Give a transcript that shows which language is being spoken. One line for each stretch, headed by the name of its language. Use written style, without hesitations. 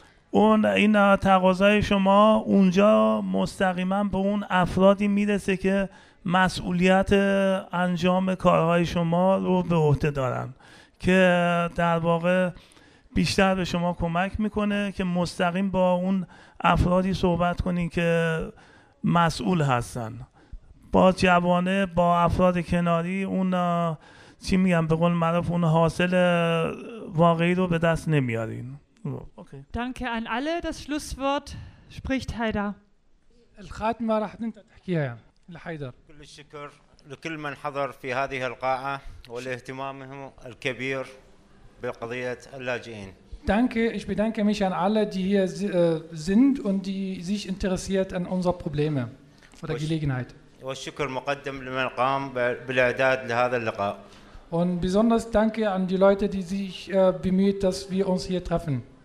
Persian: اون این تقاضای شما اونجا مستقیما به اون افرادی میرسه که مسئولیت انجام کارهای شما رو به عهده دارن که در واقع بیشتر به شما کمک میکنه که مستقیم با اون افرادی صحبت کنین که مسئول هستن، با جوانه، با افراد کناری اون چی میگم به قول معروف اون حاصل واقعی رو به دست نمیارین.
German: اوکی. Danke an alle. Das Schlusswort spricht Haider.
Arabic: الخاتمه راح انت تحكيها لحيدر. كل الشكر لكل من حضر في هذه القاعه والاهتمامهم الكبير بقضيه اللاجئين.
German: Danke, ich bedanke mich an alle, die hier sind und die sich interessiert an unsere Probleme oder Gelegenheit. Und besonders danke an die Leute, die sich bemüht, dass wir uns hier treffen.